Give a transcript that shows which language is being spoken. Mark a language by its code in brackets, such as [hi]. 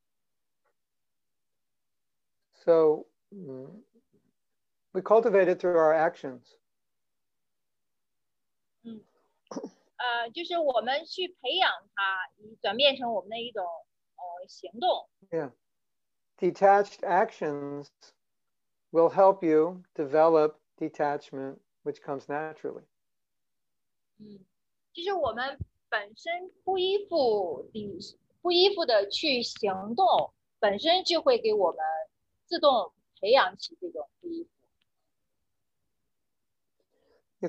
[zh] 它不是或，而是这个是，是的。 [en] So, we cultivate it through our actions. [zh] 就是我们去培养它，转变成我们的一种行动。 [en] Yeah. Detached actions will help you develop detachment, which comes naturally. [zh] 就是我们本身不依附的去行动，本身就会给我们自动培养起这种不依附。 [en] You